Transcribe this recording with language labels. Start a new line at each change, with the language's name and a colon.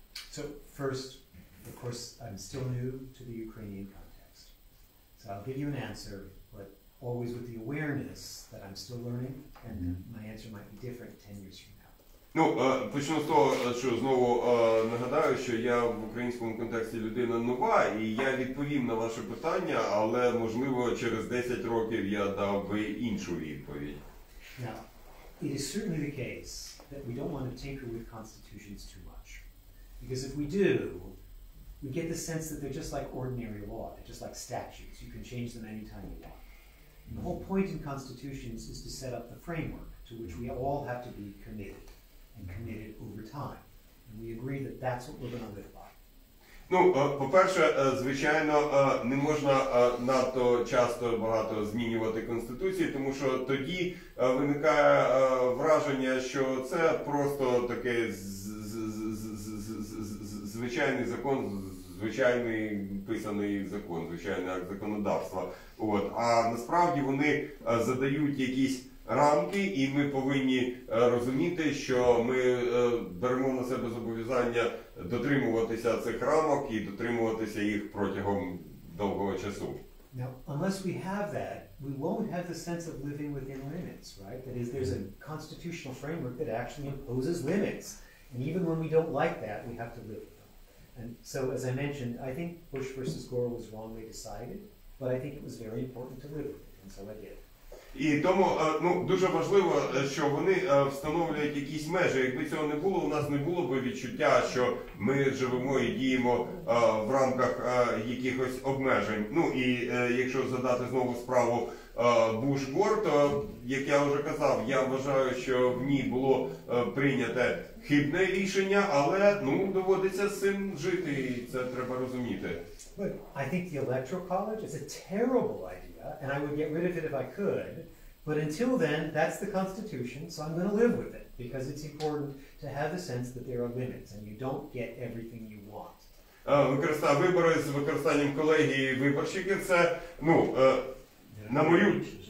English: So, first, of course, I'm still new to the Ukrainian context. So I'll give you an answer, but always with the awareness that I'm still learning, and my answer might be different 10 years from now.
Ukrainian: Ну, почну з того, що знову нагадаю, що я в українському контексті людина нова, і я відповім на ваше питання, але, можливо, через 10 років я дав би іншу відповідь.
English: Now, it is certainly the case that we don't want to tinker with constitutions too much. Because if we do, we get the sense that they're just like ordinary law, they're just like statutes. You can change them anytime you want. And the whole point in constitutions is to set up the framework to which we all have to be committed. And committed over time. And we agree that that's what we're going to live by.
Ukrainian: Ну, по-перше, звичайно, не можна надто часто багато змінювати конституцію, тому що тоді виникає враження, що це просто такий звичайний закон, звичайний писаний закон, звичайний акт законодавства. От. А насправді вони задають якісь рамки, і ми повинні розуміти, що ми беремо на себе зобов'язання дотримуватися цих рамок і дотримуватися їх протягом довгого часу.
English: Now, unless we have that, we won't have the sense of living within limits, right? That is, there's a constitutional framework that actually imposes limits. And even when we don't like that, we have to live with them. And so, as I mentioned, I think Bush versus Gore was wrongly decided, but I think it was very important to live with it, and so I did.
Ukrainian: І тому ну, дуже важливо, що вони встановлюють якісь межі. Якби цього не було, у нас не було б відчуття, що ми живемо і діємо в рамках якихось обмежень. Ну і якщо задати знову справу Буш-Гор, то, як я вже казав, я вважаю, що в ній було прийняте хибне рішення, але ну, доводиться з цим жити, і це треба розуміти.
English: I think the Electoral College is a terrible idea. And I would get rid of it if I could, but until then, that's the Constitution, so I'm going to live with it, because it's important to have the sense that there are limits, and you don't get everything you want.
Ukrainian: Вибори з використанням колегії виборщики – це, ну, на мою...